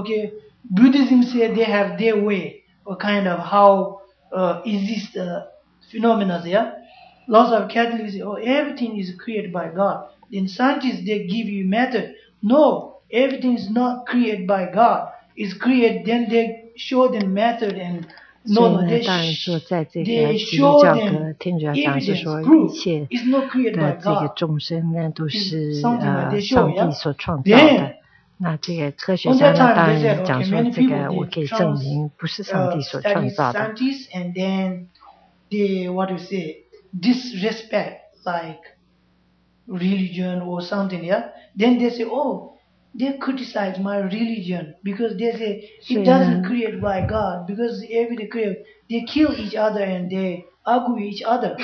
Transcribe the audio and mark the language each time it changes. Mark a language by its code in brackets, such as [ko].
[en] Okay, Buddhism say they have their way, or kind of how exist phenomena. Yeah, lots of Catholics say, oh, everything is created by God. Then scientists they give you method. No, everything is not created by God. It's created. Then they show them method and. [zh] 所以呢，当然说，在这个基督教和天主教上是说，一切的这个众生呢，都是上帝所创造的。那这个科学家呢，当然讲说，这个我可以证明不是上帝所创造的。 [en] And then they what do you say disrespect like religion or something, yeah? Then they say, oh. They criticize my religion because they say it doesn't create by God because every day create, they kill each other and they argue each other.